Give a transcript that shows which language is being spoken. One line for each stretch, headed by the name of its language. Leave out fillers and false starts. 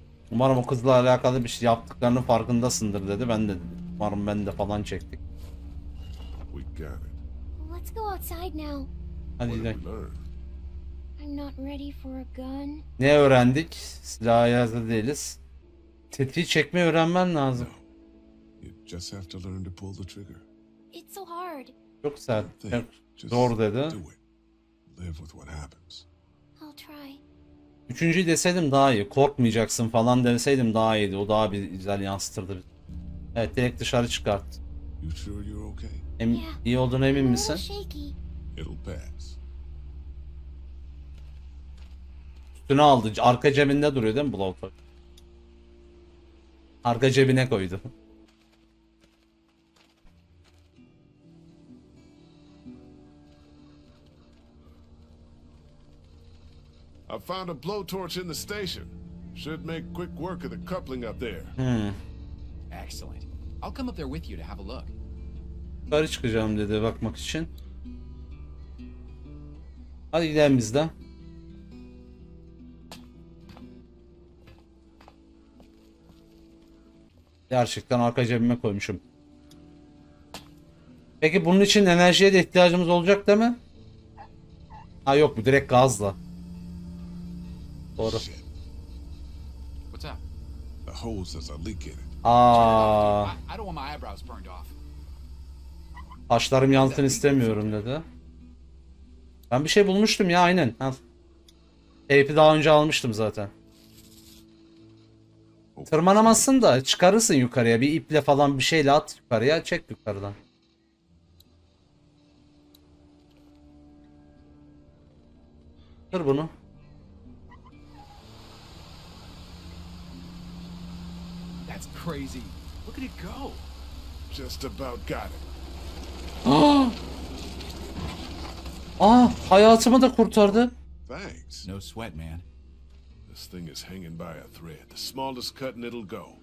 Turkish: Umarım o kızla alakalı bir şey yaptıklarının farkındasındır dedi. Ben de dedim. Umarım ben de falan çektik.
English: We got it. Let's go outside now.
Turkish: Hadi de.
English: I'm not ready for a gun.
Turkish: Ne öğrendik? Silahı hazır değiliz. Tetiği çekmeyi öğrenmen lazım.
English: You just have to learn to pull the trigger. It's so hard.
Turkish: Çok sert. Doğru dedi.
English: Live with what happens. I'll try.
Turkish: Üçüncüyü deseydim daha iyi. Korkmayacaksın falan deseydim daha iyiydi. O daha bir güzel yansıtırdı. Evet, direkt dışarı çıkart.
English: You sure you're okay? Yeah.
Turkish: İyi olduğuna emin misin?
English: It'll pass.
Turkish: Üstüne aldı. Arka cebinde duruyor değil mi Blowtor? Arka cebine koydu.
English: I found a blowtorch in the station. Should make quick work of the coupling up there. Excellent. I'll come up there with you to have a look.
Turkish: Yukarı çıkacağım dedi bakmak için. Hadi gidelim biz de. Gerçekten arka cebime koymuşum. Peki bunun için enerjiye de ihtiyacımız olacak değil mi? Ha yok, bu direkt gazla. Doğru.
English: What's up? The hose has a leak in it. I don't want my eyebrows burned off.
Turkish: Saçlarım yansın istemiyorum dedi. Ben bir şey bulmuştum ya, aynen. Tape'i daha önce almıştım zaten. Tırmanamazsın da çıkarırsın yukarıya. Bir iple falan bir şeyle at yukarıya. Çek yukarıdan. Kır bunu.
English: That's crazy. Look at it go. Just about got it.
Turkish: Ah, hayatımı da kurtardı.
English: Thanks. No sweat, man. This thing is hanging by a thread. The smallest cut and it'll go.